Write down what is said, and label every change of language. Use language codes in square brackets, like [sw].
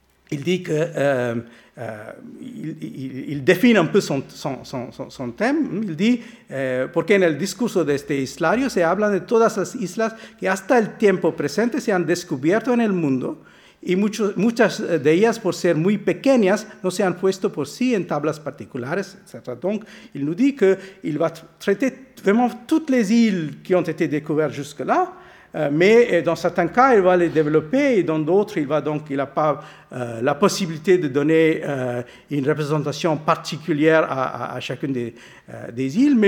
[fr] Il dit que il définit un peu son thème. Il dit [es] porque en el discurso de este islario se hablan de todas las islas que hasta el tiempo presente se han descubierto en el mundo y muchas de ellas por ser muy pequeñas no se han puesto por sí en tablas particulares, etc. [fr] Donc il nous dit que il va traiter vraiment toutes les îles qui ont été découvertes jusque là. Mais dans certains cas, il va les développer, et dans d'autres, il n'a pas la possibilité de donner une représentation particulière à chacune des îles.